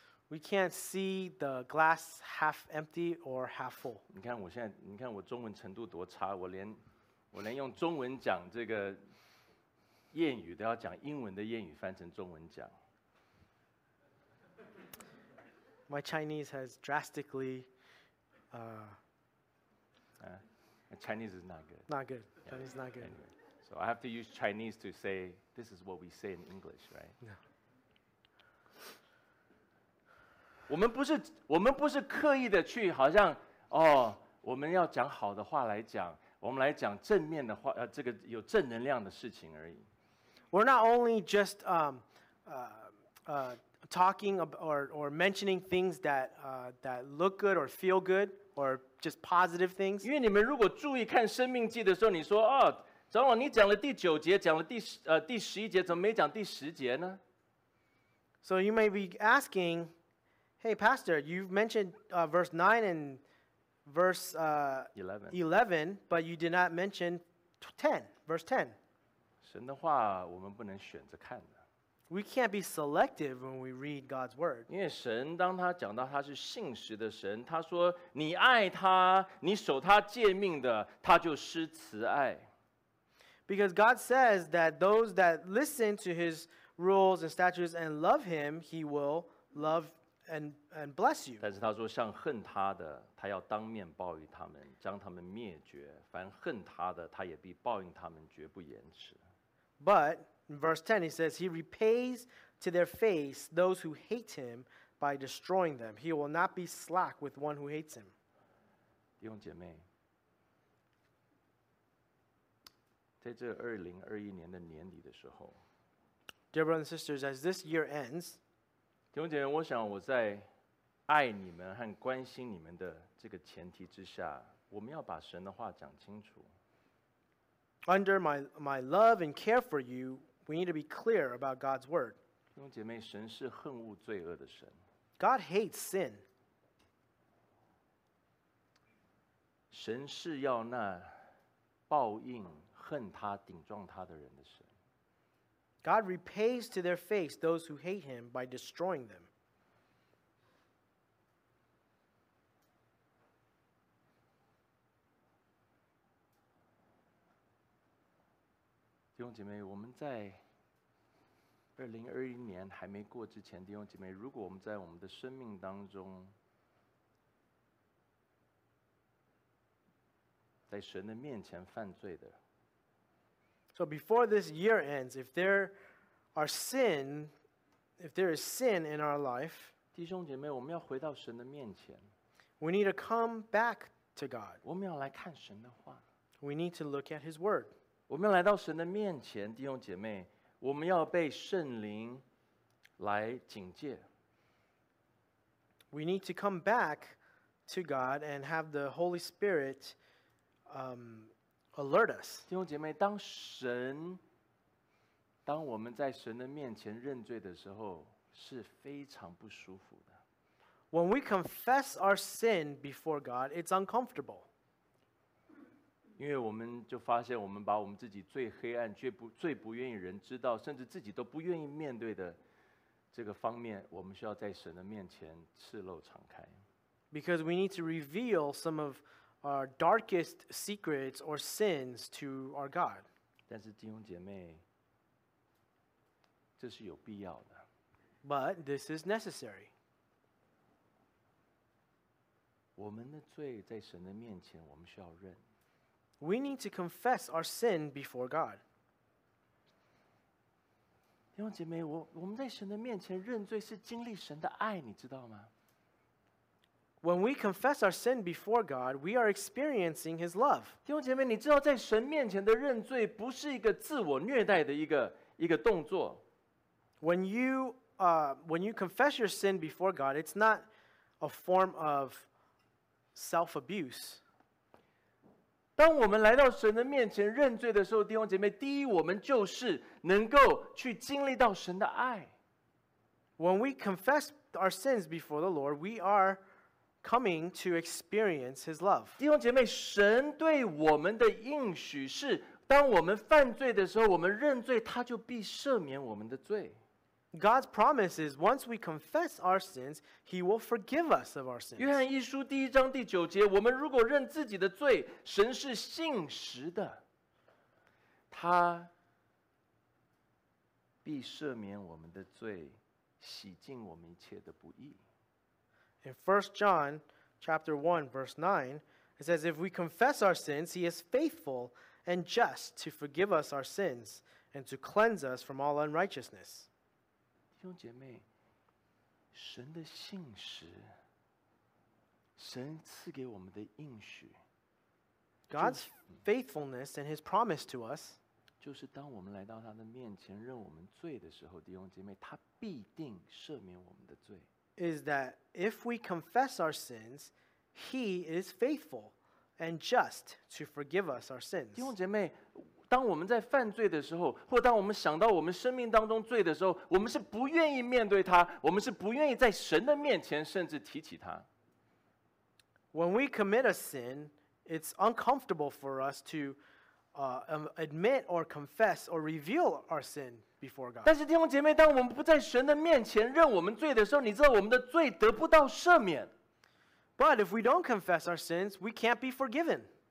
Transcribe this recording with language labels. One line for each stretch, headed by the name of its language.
English: We can't see the glass half empty or half full.
Chinese: 你看我中文程度多差，我连用中文讲这个谚语都要讲英文的谚语翻成中文讲。
English: My Chinese has drastically, Chinese is not good. Not good. Chinese is not good. Anyway, so I have to use Chinese to say this is what we say in English, right? No.
Chinese: 我们不是刻意的去好像哦，我们要讲好的话来讲，我们来讲正面的话，这个有正能量的事情而已。
English: We're not only just talking or mentioning things that that look good or feel good or just positive things.
Chinese: 因为你们如果注意看《生命记》的时候，你说哦，长老，你讲了第九节，讲了第十一节，怎么没讲第十节呢
English: ？So you may be asking. Hey, Pastor, you've mentioned verse 9 and verse 11, but you did not mention 10, verse 10.
Chinese: 神的话我们不能选择看的。
English: We can't be selective when we read God's word.
Chinese: 因为神当他讲到他是信实的神，他说你爱他，你守他诫命的，他就施慈爱。
English: Because God says that those that listen to his rules and statutes and love him, he will love you. And bless you.
Chinese: 但是他说，像恨他的，他要当面报应他们，将他们灭绝。凡恨他的，他也必报应他们，绝不延迟。
English: But in verse 10, he says he repays to their face those who hate him by destroying them. He will not be slack with one who hates him.
Chinese: 弟兄姐妹，在这2021年的年底的时候
English: ，Dear brothers and sisters, as this year ends.
Chinese: 弟兄姐妹，我想我在爱你们和关心你们的这个前提之下，我们要把神的话讲清楚。
English: Under my love and care for you, we need to be clear about God's word.
Chinese: 弟兄姐妹，神是恨恶罪恶的神。
English: God hates sin.
Chinese: 神是要那报应恨他、顶撞他的人的神。
English: God repays to their face those who hate him by destroying them.
Chinese: 弟兄姐妹，我们在2021年还没过之前，弟兄姐妹，如果我们在我们的生命当中，在神的面前犯罪的。
English: So before this year ends, if there are sin, if there is sin in our life,
Chinese: 弟兄姐妹，我们要回到神的面前。
English: We need to come back to God.
Chinese: 我们要来看神的话。
English: We need to look at His word.
Chinese: 我们要来到神的面前，弟兄姐妹，我们要被圣灵来警戒。
English: We need to come back to God and have the Holy Spirit, alert us.
Chinese: 弟兄姐妹，当神当我们在神的面前认罪的时候，是非常不舒服的。
English: When we confess our sin before God, it's uncomfortable.
Chinese: 因为我们就发现，我们把我们自己最黑暗、最不愿意人知道，甚至自己都不愿意面对的这个方面，我们需要在神的面前赤露敞开。
English: Because we need to reveal some of our darkest secrets or sins to our God.
Chinese: 但是弟兄姐妹，这是有必要的。
English: But this is necessary.
Chinese: 我们的罪在神的面前，我们需要认。
English: We need to confess our sin before God.
Chinese: 弟兄姐妹，我们在神的面前认罪是经历神的爱，你知道吗？
English: When we confess our sin before God, we are experiencing His love.
Chinese: 弟兄姐妹，你知道在神面前的认罪不是一个自我虐待的一个动作。
English: When you confess your sin before God, it's not a form of self-abuse.
Chinese: 当我们来到神的面前认罪的时候，弟兄姐妹，第一，我们就是能够去经历到神的爱。
English: When we confess our sins before the Lord, we are coming to experience His love.
Chinese: 弟兄姐妹，神对我们的应许是，当我们犯罪的时候，我们认罪，他就必赦免我们的罪。
English: God's promise is once we confess our sins, He will forgive us of our sins.
Chinese: 约翰一书第一章第九节，我们如果认自己的罪，神是信实的，他必赦免我们的罪，洗净我们一切的不义。
English: In 1 John chapter 1, verse 9, it says, If we confess our sins, He is faithful and just to forgive us our sins and to cleanse us from all unrighteousness.
Chinese: 弟兄姐妹，神的信实，神赐给我们的应许，
English: God's faithfulness and His promise to us,
Chinese: 就是当我们来到他的面前认我们罪的时候，弟兄姐妹，他必定赦免我们的罪。
English: Is that if we confess our sins, He is faithful and just to forgive us our sins.
Chinese: 弟兄姐妹，当我们在犯罪的时候，或当我们想到我们生命当中罪的时候，我们是不愿意面对它，我们是不愿意在神的面前甚至提起它。
English: When we commit a sin, it's uncomfortable for us to admit or confess or reveal our sin. Before God. But if we don't confess our sins, we can't be forgiven.